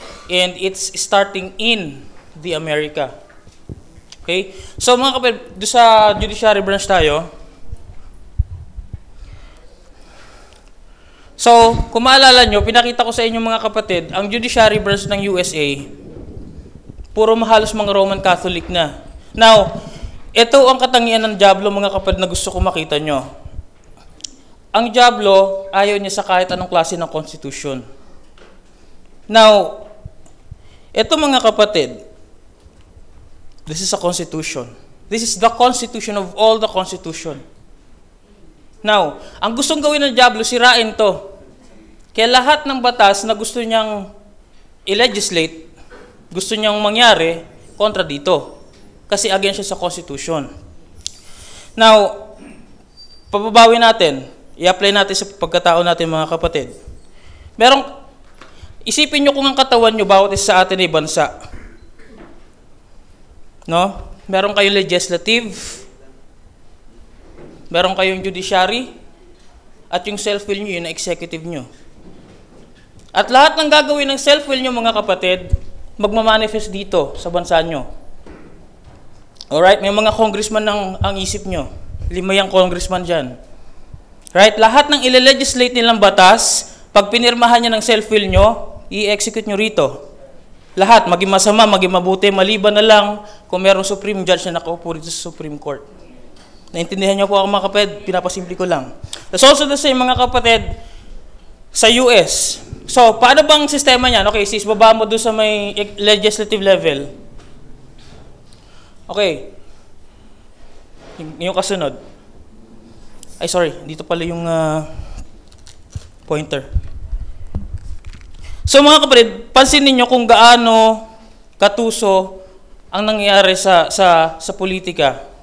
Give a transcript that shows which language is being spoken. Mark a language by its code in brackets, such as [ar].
[en] And it's starting in the America." Okay? [tl] So, mga kapatid, doon sa judiciary branch tayo. So, kung maalala nyo, pinakita ko sa inyo, mga kapatid, ang judiciary branch ng USA, puro mahalos mga Roman Catholic na. Now, ito ang katangian ng Diablo, mga kapatid, na gusto ko makita nyo. Ang Diablo, ayaw niya sa kahit anong klase ng konstitusyon. [en] Now, [tl] ito, mga kapatid, [en] this is a constitution. This is the constitution of all the constitution. [tl] Now, ang gustong gawin ng Diablo, sirain to. Kaya lahat ng batas na gusto niyang i-legislate, gusto niyang mangyari, kontra dito. Kasi against siya sa Constitution. Now, pababawi natin, i-apply natin sa pagkatao natin, mga kapatid. Merong, isipin nyo kung ang katawan nyo bawat isa sa atin ay bansa. No? Meron kayong legislative, meron kayong judiciary, at yung self-will nyo, yung executive nyo. At lahat ng gagawin ng self-will nyo, mga kapatid, magmamanifest dito sa bansa nyo. Alright, may mga congressman ng ang isip nyo. Lima yung congressman dyan. Right, lahat ng ile-legislate nilang batas, pag pinirmahan niya ng self-will nyo, i-execute nyo rito. Lahat, maging masama, maging mabuti, maliban na lang kung merong Supreme Judge na nakaupo rito sa Supreme Court. Naintindihan nyo po ako, mga kapatid? Pinapasimple ko lang. [en] That's also the same, [tl] mga kapatid, sa US. So, paano bang sistema niyan? Okay, sis, baba mo doon sa may legislative level. Okay. Yung kasunod. Ay, sorry. Dito pala yung pointer. So mga kapatid, pansin ninyo kung gaano katuso ang nangyayari sa politika.